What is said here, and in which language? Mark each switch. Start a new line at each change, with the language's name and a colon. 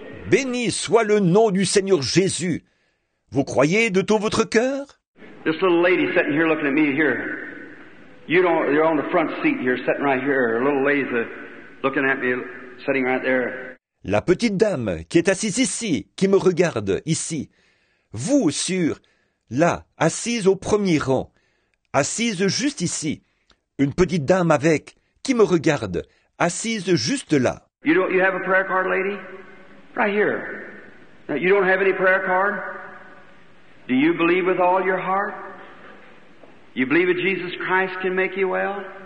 French: Béni soit le nom du Seigneur Jésus. Vous croyez de tout votre cœur?
English: This little lady sitting here looking at me here. You're on the front seat here, sitting right here. A little lady's looking at me, sitting right there.
French: La petite dame qui est assise ici, qui me regarde ici. Vous, sur, là, assise au premier rang. Assise juste ici. Une petite dame avec, qui me regarde, assise juste là.
English: You have a prayer card, lady? Right here. You don't have any prayer card? Do you believe with all your heart? You believe that Jesus Christ can make you well?